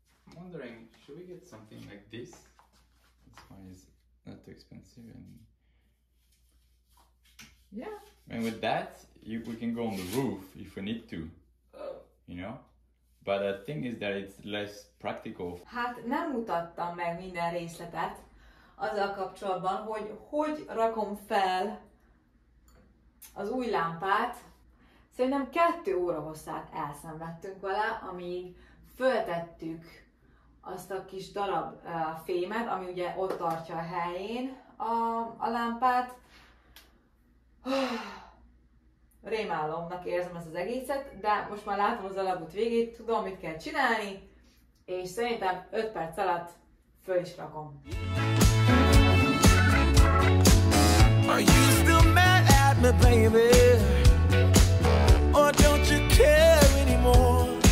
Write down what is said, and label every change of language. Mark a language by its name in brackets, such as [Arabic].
[English] I'm wondering, should we get something like this? This one is not too expensive. And yeah. And with that, we can go on the roof if we need to, you know? But the thing is that it's less practical. [Hungarian] Hát nem mutattam meg minden részletet azzal kapcsolatban, hogy hogy rakom fel az új lámpát. Szerintem 2 óra hosszát elszenvedtünk vele, amíg föltettük azt a kis darab fémet, ami ugye ott tartja a helyén a lámpát. Rémálomnak érzem ezt az egészet, de most már látom az alagút végét, tudom, mit kell csinálni, és szerintem 5 perc alatt föl is rakom. [English] Are you still mad at me, baby? Or don't you care anymore?